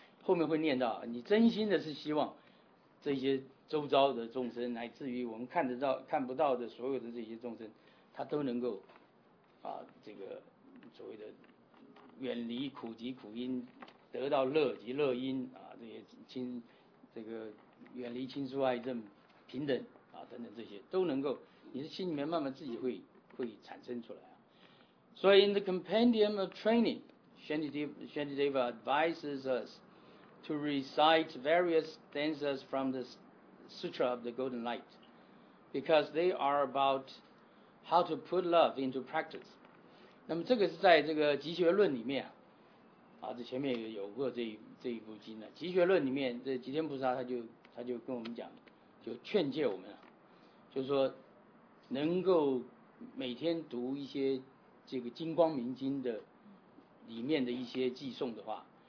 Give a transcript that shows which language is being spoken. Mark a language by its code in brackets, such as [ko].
[zh] 后面会念到，你真心的是希望这些周遭的众生，乃至于我们看得到、看不到的所有的这些众生，他都能够啊，这个所谓的远离苦集苦因，得到乐及乐因啊，这些远离亲疏爱憎、平等啊等等，这些都能够，你的心里面慢慢自己会产生出来啊。 [en] 所以 ，in the compendium of training, Shantideva advises us. To recite various stanzas from the Sutra of the Golden Light, because they are about how to put love into practice. [zh] 那么这个是在这个集学论里面 这前面有过这一部经了。集学论里面，这吉天菩萨他就跟我们讲，就劝诫我们，就是说能够每天读一些这个金光明经的里面的一些偈颂的话。